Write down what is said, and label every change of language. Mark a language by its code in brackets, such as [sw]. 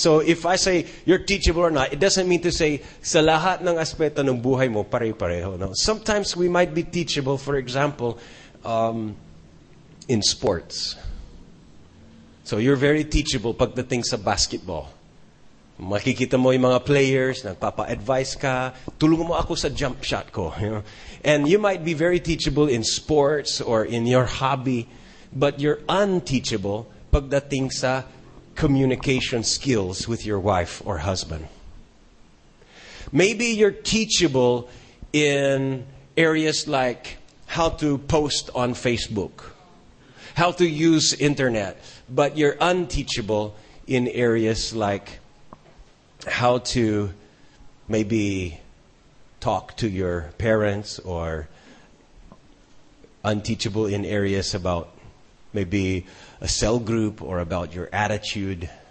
[en] So if I say you're teachable or not, it doesn't mean to say [tl] sa lahat ng aspeto ng buhay mo, pare-pareho. [en] No? Sometimes we might be teachable, for example, in sports. So you're very teachable [tl] pagdating sa [en] basketball. [tl] Makikita mo yung mga players, nagpapa-advise ka, tulungan mo ako sa jump shot ko. [en] You know? And you might be very teachable in sports or in your hobby, but you're unteachable [tl] pagdating sa [en] communication skills with your wife or husband. Maybe you're teachable in areas like how to post on Facebook, how to use internet, but you're unteachable in areas like how to maybe talk to your parents, or unteachable in areas about maybe a cell group or about your attitude.